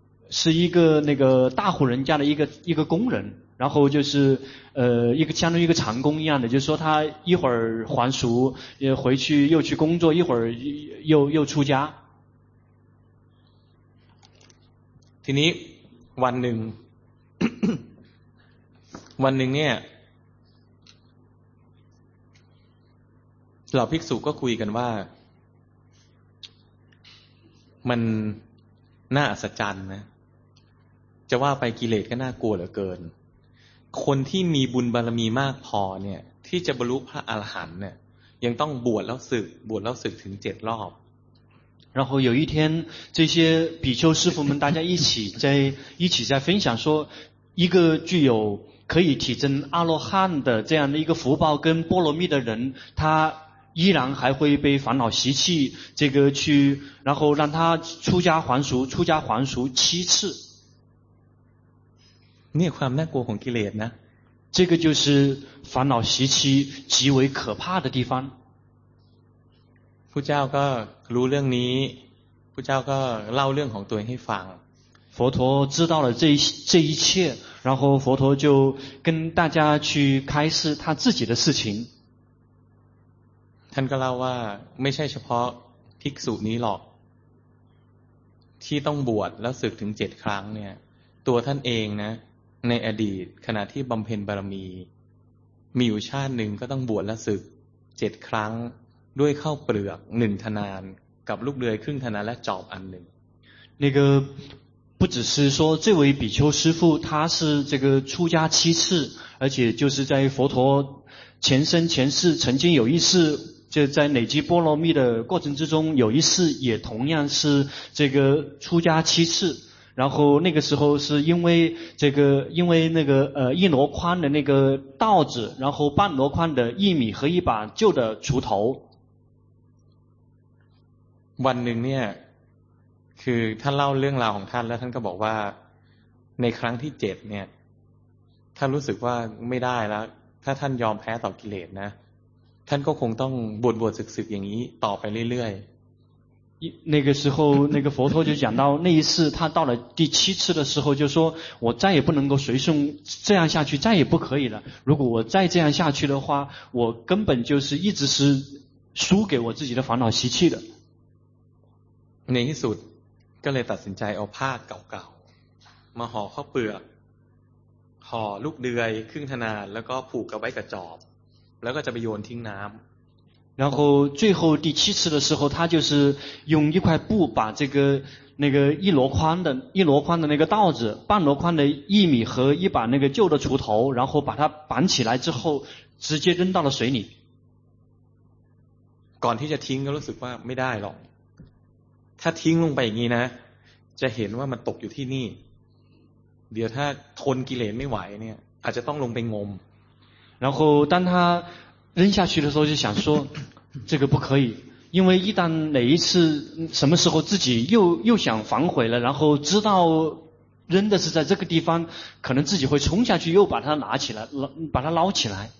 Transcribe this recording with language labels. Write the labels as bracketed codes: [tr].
[zh] 是一个那个大户人家的一个工人然后就是一个相当于一个长工一样的就是说他一会儿还俗回去又去工作一会儿又出家 [th] ทีนี้วันหนึ่ง วันหนึ่งเนี่ยเราภิกษุก็คุยกันว่ามันน่าอัศจรรย์นะจะว่าไปกิเลสก็น่ากลัวเหลือเกินคนที่มีบุญบารมีมากพอเนี่ยที่จะบรรลุพระอรหันต์เนี่ยยังต้องบวชแล้วศึกบวชแล้วศึกถึง7รอบ [zh] 然后有一天这些比丘师父们大家一起在分享说一个具有可以体证阿罗汉的这样的一个福报跟波罗蜜的人他依然还会被烦恼习气这个去然后让他出家还俗七次涅槃那国红吉列呢这个就是烦恼习气极为可怕的地方 [th] พุทธเจ้าก็รู้เรื่องนี้พุทธเจ้าก็เล่าเรื่องของตัวให้ฟัง [zh] 佛陀知道了这一切然后佛陀就跟大家去开示他自己的事情 [th] ท่านก็เล่าว่าไม่ใช่เฉพาะภิกษุนี้หรอกที่ต้องบวชแล้วสึกถึง7ครั้งเนี่ยตัวท่านเองนะในอดีตขณะที่บำเพ็ญบารมีมีอยู่ชาติหนึ่งก็ต้องบวชแล้วสึก7ครั้งด้วยข้าวเปลือก1ทนานกับลูกเดือยครึ่งทนานและจอบอันหนึ่ง [zh] 那个不只是说这位比丘师父他是这个出家七次而且就是在佛陀前生前世曾经有一次就在累积波罗蜜的过程之中有一次也同样是这个出家七次然后那个时候是因为那个一箩筐的那个稻子然后半箩筐的薏米和一把旧的锄头 [th] วันหนึ่งเนี่ยคือท่านเล่าเรื่องราวของท่านแล้วท่านก็บอกว่าในครั้งที่7เนี่ยท่านรู้สึกว่าไม่ได้แล้วถ้าท่านยอมแพ้ต่อกิเลสนะท่านก็คงต้องบวชศึกๆอย่างนี้ต่อไปเรื่อย [zh] ๆ那个时候那个佛陀就讲到那一次他到了第七次的时候就说我再也不能够随顺这样下去再也不可以了如果我再这样下去的话我根本就是一直是输给我自己的烦恼习气的。 [th] ในที่สุดก็เลยตัดสินใจเอาผ้าเก่าๆมาห่อข้าวเปลือกห่อลูกเดือยครึ่งธนาแล้วก็ผูกกับไว้กับจอบแล้วก็จะไปโยนทิ้งน้ำ [zh] 然后最后第七次的时候他就是用一块布把这个那个一箩筐的那个稻子半箩筐的薏米和一把那个旧的锄头然后把它绑起来之后直接扔到了水里 [th] ก่อนที่จะทิ้งก็รู้สึกว่าไม่ได้หรอกถ้าทิ้งลงไปอย่างนี้นะจะเห็นว่ามันตกอยู่ที่นี่เดี๋ยวถ้าทนกิเลสไม่ไหวเนี่ยอาจจะต้องลงไปงม [zh] 然后当他扔下去的时候就想说这个不可以因为一旦哪一次什么时候自己又想反悔了然后知道扔的是在这个地方可能自己会冲下去又把它拿起来把它捞起来